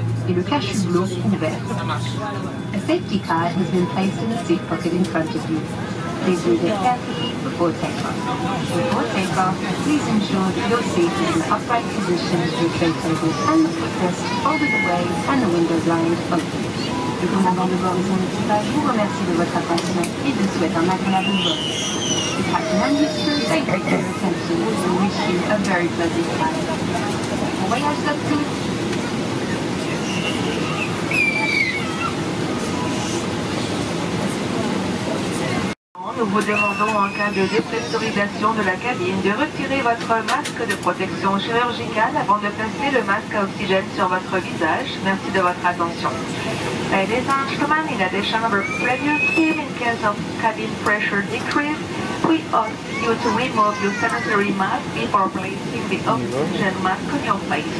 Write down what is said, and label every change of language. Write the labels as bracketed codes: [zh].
[en] Safety pad has been placed in the seat pocket in front of you. Please use it carefully before takeoff. Before takeoff, please ensure that your seat is in upright position with your tray tables and the footrest folded away and the window blinds open. [fr] Le commandant de bord et son équipage vous remercie de votre attention et vous souhaite un agréable vol. [en] The captain and his crew, thank you for your attention and wish you a very pleasant flight. [fr] Bon voyage, Captain! Nous vous demandons en cas de dépressurisation de la cabine de retirer votre masque de protection chirurgicale avant de placer le masque à oxygène sur votre visage. Merci de votre attention. [en] Ladies and gentlemen, in addition to preventive in case of cabin pressure decrease, we ask you to remove your sanitary mask before placing the oxygen mask on your face.